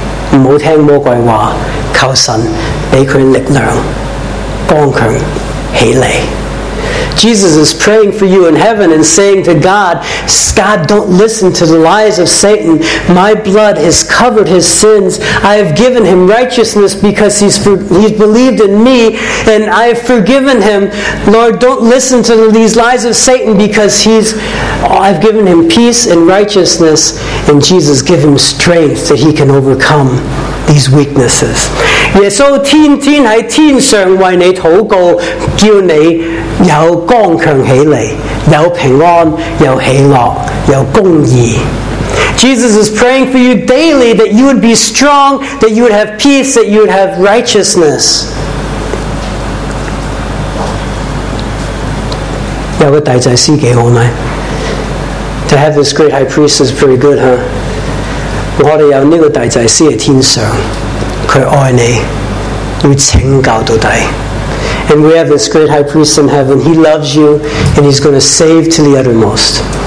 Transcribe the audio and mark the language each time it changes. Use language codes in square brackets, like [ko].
[yue] 不要听魔鬼话，求神给他力量，刚强起来。 [en] Jesus is praying for you in heaven and saying to God, God, don't listen to the lies of Satan. My blood has covered his sins. I have given him righteousness because he's believed in me and I have forgiven him. Lord, don't listen to these lies of Satan because I've given him peace and righteousness, and Jesus, give him strength that he can overcome these weaknesses. [yue] 耶稣天天在天上为你祷告，叫你有刚强起来，有平安，有喜乐，有公义。 [en] Jesus is praying for you daily that you would be strong, that you would have peace, that you would have righteousness. [yue] 有个大祭司几好呢？ [en] To have this great high priest is pretty good, huh? [yue] 我们有这个大祭司在天上，他爱你，会拯救到底。 And we have this great high priest in heaven. He loves you and he's going to save to the uttermost.